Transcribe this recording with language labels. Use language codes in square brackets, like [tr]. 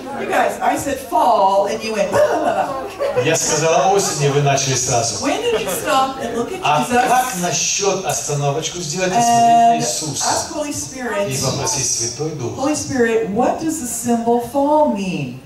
[en] You guys, I said fall, and you went. [ru] Я сказала осень, и вы начали сразу. [en] When did you stop and look at Jesus? [ru] А как насчет остановочку сделать и смотреть на Иисуса? [en] Ask Holy Spirit. [ru] И попросить Святой Дух. [en] Holy Spirit, what does the symbol fall mean?